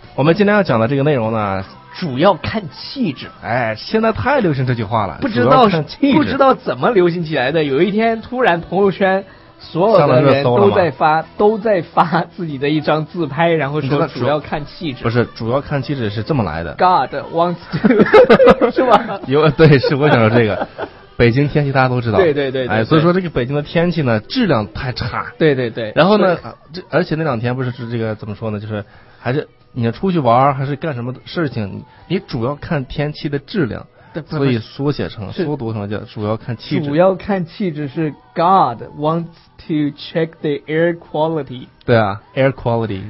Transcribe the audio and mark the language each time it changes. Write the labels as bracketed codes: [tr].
[zh] 我们今天要讲的这个内容呢，主要看气质。哎，现在太流行这句话了，不知道怎么流行起来的。有一天突然朋友圈所有的人都在发自己的一张自拍，然后说主要看气质。不是，主要看气质是这么来的。 [en] God wants to [zh] 是吧？有，对，是我想说这个。北京天气大家都知道，对对 对, 对, 对, 对，哎，所以说这个北京的天气呢，质量太差。对对对。然后呢，而且那两天不是这个怎么说呢？就是还是你要出去玩还是干什么事情，你主要看天气的质量，对，所以缩写成缩读成叫主要看气质。主要看气质是 [en] God wants to check the air quality。 [zh] 对啊 ， [en] air quality